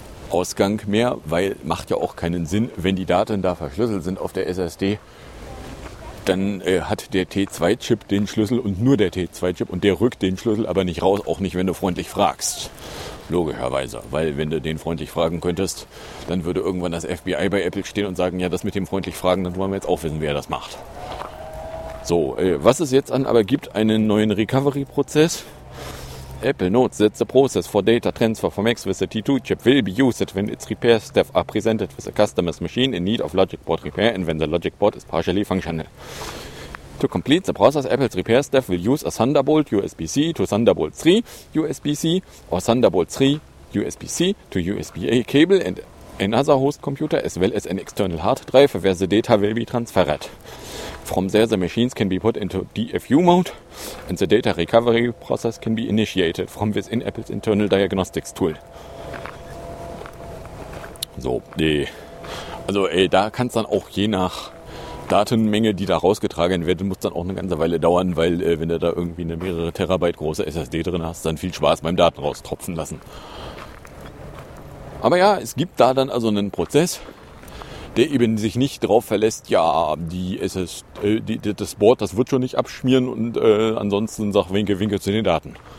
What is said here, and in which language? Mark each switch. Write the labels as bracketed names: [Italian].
[German] Ausgang mehr, weil macht ja auch keinen Sinn, wenn die Daten da verschlüsselt sind auf der SSD, dann hat der T2-Chip den Schlüssel und nur der T2-Chip und der rückt den Schlüssel aber nicht raus, auch nicht, wenn du freundlich fragst. Logischerweise, weil wenn du den freundlich fragen könntest, dann würde irgendwann das FBI bei Apple stehen und sagen, ja, das mit dem freundlich fragen, dann wollen wir jetzt auch wissen, wer das macht. So, was es jetzt an aber gibt, einen neuen Recovery-Prozess. [English] Apple notes that the process for data transfer from Macs with the T2-Chip will be used when its repair staff are presented with a customer's machine in need of logic board repair and when the logic board is partially functional. To complete the process, Apple's repair staff will use a Thunderbolt USB-C to Thunderbolt 3 USB-C or Thunderbolt 3 USB-C to USB-A cable and another host computer as well as an external hard drive where the data will be transferred. From there, the machines can be put into DFU mode and the data recovery process can be initiated from within Apple's internal diagnostics tool. [German] So, da kannst dann auch je nach Datenmenge, die da rausgetragen wird, muss dann auch eine ganze Weile dauern, weil wenn du da irgendwie eine mehrere Terabyte große SSD drin hast, dann viel Spaß beim Daten raustropfen lassen. Aber ja, es gibt da dann also einen Prozess, der eben sich nicht drauf verlässt, ja, das Board, das wird schon nicht abschmieren und ansonsten sag winke, winke zu den Daten.